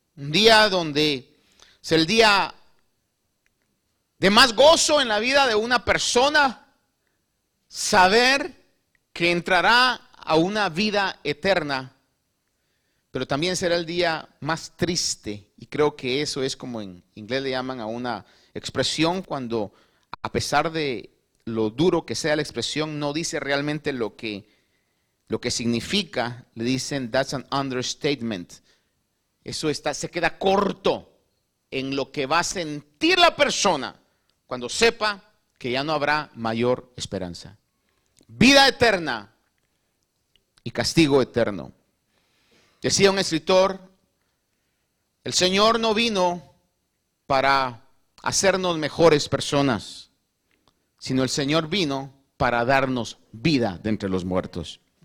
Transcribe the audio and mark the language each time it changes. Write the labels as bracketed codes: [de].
[es] Un día donde es el día de más gozo en la vida de una persona, saber que entrará a una vida eterna, pero también será el día más triste. Y creo que eso es como en inglés le llaman a una expresión, cuando a pesar de lo duro que sea la expresión, no dice realmente lo que significa. Le dicen: [en] that's an understatement. [es] Eso está, se queda corto en lo que va a sentir la persona cuando sepa que ya no habrá mayor esperanza. Vida eterna y castigo eterno. Decía un escritor: el Señor no vino para hacernos mejores personas, sino el Señor vino para darnos vida de entre los muertos.